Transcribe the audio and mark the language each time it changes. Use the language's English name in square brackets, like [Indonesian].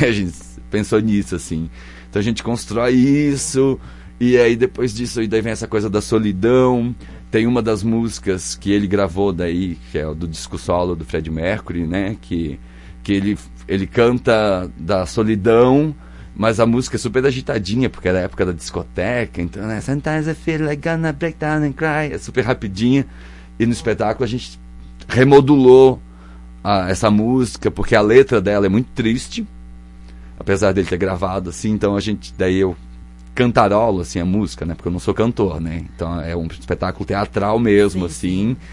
[Portuguese] A gente pensou nisso, assim. Então, a gente constrói isso, e aí depois disso, aí daí vem essa coisa da solidão. Tem uma das músicas que ele gravou daí, que é do disco solo do Freddie Mercury, né? Que ele canta da solidão, mas a música é super agitadinha, porque era a época da discoteca, então, né? [English] Sometimes I feel like gonna break down and cry. [Portuguese] É super rapidinha. E no espetáculo a gente remodulou essa música, porque a letra dela é muito triste, apesar dele ter gravado assim, então a gente, daí eu cantarolo, assim, a música, né? Porque eu não sou cantor, né? Então, é um espetáculo teatral mesmo, sim, assim.